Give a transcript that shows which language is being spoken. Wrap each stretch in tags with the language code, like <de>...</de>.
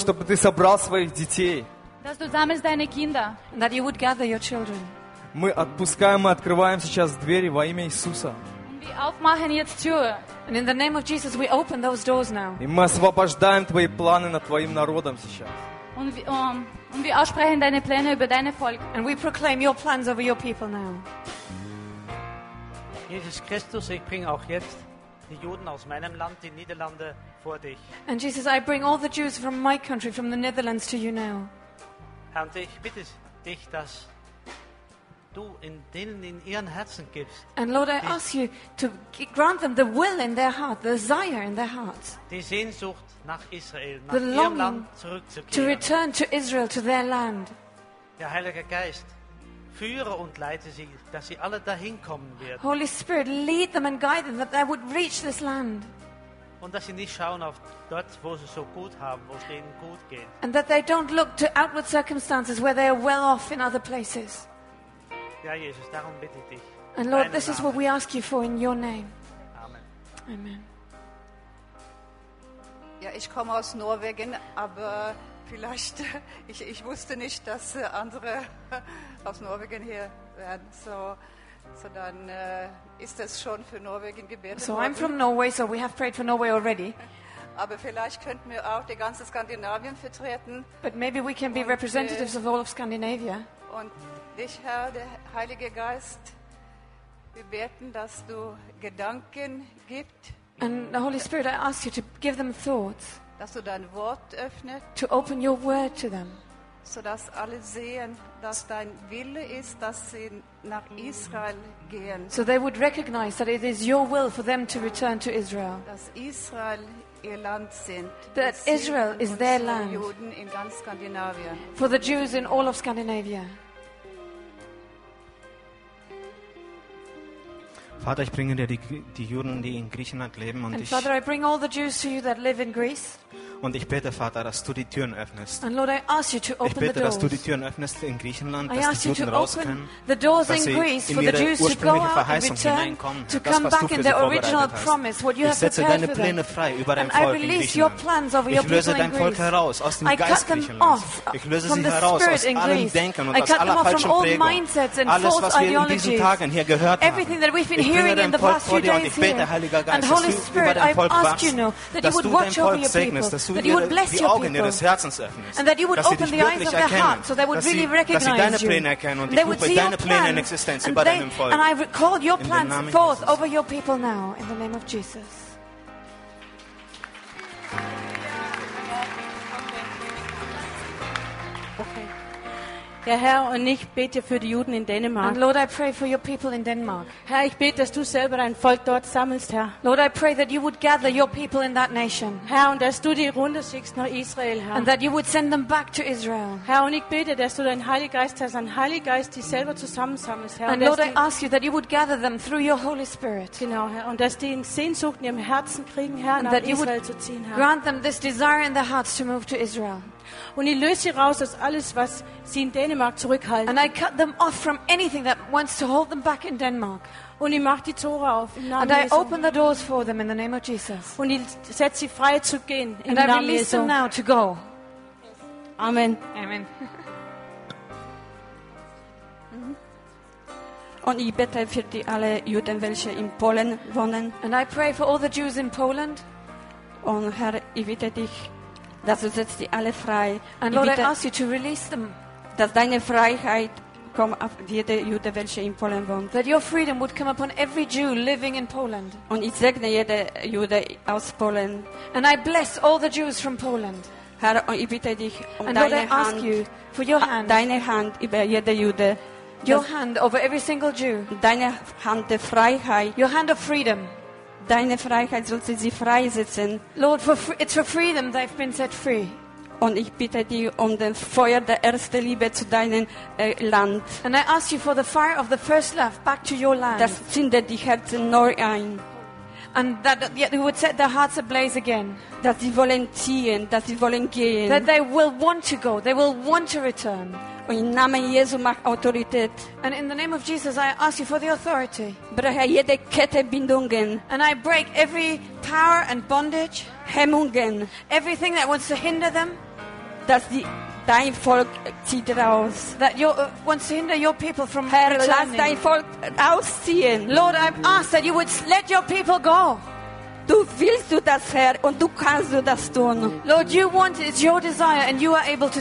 <ru>Чтобы ты собрал своих детей.</ru> <de>Dass du sammelst deine Kinder.</de> <en>And that you would gather your children.</en> <ru>Мы отпускаем и открываем сейчас двери во имя Иисуса.</ru> <en>And we</en> <de>aufmachen jetzt Tür.</de> <en>And in the name of Jesus, we open those doors now.</en> <ru>И мы освобождаем твои планы над твоим народом сейчас.</ru> <de>Und wir aussprechen deine Pläne über deine Volk.</de> <en>And we proclaim your plans over your people now.</en> <de>Jesus Christus, ich bringe auch jetzt die Juden aus meinem Land, die Niederlande, vor dich.</de> <en>And Jesus, I bring all the Jews from my country, from the Netherlands, to you now.</en> <de>Herr, ich bitte dich, dass du in denen in ihren Herzen gibst.</de> <en>And Lord, I ask you to grant them the will in their heart, the desire in their hearts.</en> <de>Die Sehnsucht nach Israel, nach</de> <en>the</en> <de>ihrem Land zurückzukehren.</de> <en>To return to Israel, to their land.</en> <de>Der Heilige Geist, führe und leite sie, dass sie alle dahin kommen werden.</de> <en>Holy Spirit, lead them and guide them, that they would reach this land.</en> <de>Und dass sie nicht schauen auf dort, wo sie so gut haben, wo es ihnen gut geht.</de> <en>And that they don't look to outward circumstances where they are well off in other places.</en> <de>Ja, Jesus, darum bitte ich dich.</de> <en>And Lord, this is what we ask you for in your name.</en> <de>Amen.</de> <en>Amen.</en> <de>Ja, ich komme aus Norwegen, aber vielleicht, ich wusste nicht, dass andere aus Norwegen hier werden. So dann ist das schon für Norwegen gebetet</de> <en>worden. So I'm from Norway, so we have prayed for Norway already.</en> <de>Aber vielleicht könnten wir auch die ganze Skandinavien vertreten.</de> <en>But maybe we can be representatives of all of Scandinavia.</en> <de>Und dich, Herr, der Heilige Geist, wir beten, dass du Gedanken gibst.</de> <en>And the Holy Spirit, I ask you to give them thoughts.</en> <de>Dass du dein Wort öffnest.</de> <en>To open your word to them.</en> <de>So dass alle sehen, dass dein Wille ist, dass sie nach Israel gehen.</de> <en>So they would recognize that it is your will for them to return to Israel.</en> <de>Dass Israel ihr Land sind.</de> <en>That Israel is their land.</en> <de>Juden in ganz Skandinavien.</de> <en>For the Jews in all of Scandinavia.</en> <de>Vater, ich bringe dir die Juden, die in Griechenland leben, und</de> <en>Father, I bring all the Jews to you that live in Greece.</en> <de>Und ich bete, Vater, dass du die Türen öffnest.</de> <en>And Lord, I ask you to open</en> <de>Ich bete,</de> <en>the doors.</en> <de>Dass du die Türen öffnest in Griechenland, dass</de> <en>I ask</en> <de>die Juden raus können,</de> <en>the doors in Greece</en> <de>in ihre ursprüngliche Verheißung hineinkommen,</de> <en>to come</en> <de>das, was</de> <en>back</en> <de>du</de> <en>in</en> <de>sie</de> <en>the original promise, what you</en> <de>Ich setze deine Pläne frei über dein Volk in Griechenland. Ich löse dein Volk heraus aus dem Geist Griechenlands. Ich löse sie heraus aus allem Denken und aus aller falschen Prägung. Alles, was wir in diesen Tagen hier gehört haben,</de> <en>hearing in the past few days here. And Holy Spirit, I ask you now that you would watch over your people, that you would bless your people, and that you would open the eyes of their heart so they would really recognize you. And they would see your plans, and I call your plans forth over your people now in the name of Jesus.</en> <de>Ja, Herr, und ich bete für die Juden in Dänemark.</de> <en>And Lord, I pray for your people in Denmark.</en> <de>Herr, ich bete, dass du selber ein Volk dort sammelst, Herr.</de> <en>Lord, I pray that you would gather your people in that nation.</en> <de>Herr, und dass du die runter schickst nach Israel, Herr.</de> <en>And that you would send them back to Israel.</en> <de>Herr, und ich bete, dass du deinen Heiligen Geist hast, einen Heiligen Geist, die selber zusammensammelst, Herr.</de> <en>And Lord, I ask you that you would gather them through your Holy Spirit.</en> <de>Genau, Herr, und dass die in Sehnsucht in ihrem Herzen kriegen, Herr, nach Israel zu ziehen, Herr.</de> <en>And that you would grant them this desire in their hearts to move to Israel.</en> <de>Und ich löse sie raus aus alles, was sie in Dänemark zurückhalten.</de> <en>And I cut them off from anything that wants to hold them back in Denmark.</en> <de>Und ich mache die Tore auf im Namen</de> <en>And I open the doors for them in the name of Jesus.</en> <de>Und ich setze sie frei zu gehen im Namen Jesu.</de> <en>And I release them now to go.</en> <de>Amen.</de> <en>Amen.</en> <de>Und ich bete für die alle Juden, welche in Polen wohnen.</de> <en>And I pray for all the Jews in Poland.</en> <de>Und Herr, ich bitte dich, dass du setzt die alle frei.</de> <en>And Lord, I ask you to release them.</en> <de>Dass deine Freiheit kommt auf jede Jude, welche in Polen wohnt.</de> <en>That your freedom would come upon every Jew living in Poland.</en> <de>Und ich segne jede Jude aus Polen.</de> <en>And I bless all the Jews from Poland.</en> <de>Herr, ich bitte dich um</de> <en>And</en> <de>deine</de> <en>Lord, I</en> <de>Hand,</de> <en>ask you for your hand.</en> <de>Deine Hand über jede Jude.</de> <en>Your das, hand over every single Jew.</en> <de>Deine Hand der Freiheit.</de> <en>Your hand of freedom.</en> <de>Deine Freiheit soll sie freisetzen.</de> <en>Lord, it's for freedom they've been set free.</en> <de>Und ich bitte dich um den Feuer der ersten Liebe zu deinem Land.</de> <en>And I ask you for the fire of the first love back to your land.</en> <de>Das zündet die Herzen neu ein.</de> <en>And that they would set their hearts ablaze again.</en> <de>Dass sie wollen ziehen, dass sie wollen gehen.</de> <en>That they will want to go, they will want to return.</en> <de>Und im Namen Jesu mach Autorität.</de> <en>And in the name of Jesus, I ask you for the authority.</en> <de>Breche jede Kette Bindungen.</de> <en>And I break every power and bondage.</en> <de>Hemmungen.</de> <en>Everything that wants to hinder them.</en> <de>Dass die dein Volk zieht raus.</de> <en>That your wants to hinder your people from</en> <de>Herr,</de> <en>returning.</en> <de>Lass dein Volk ausziehen.</de> <en>Lord, I ask that you would let your people go.</en> <de>Du willst du das, Herr, und du kannst du das tun.</de> <en>Lord, you want it, it's your desire, and you are able to</en>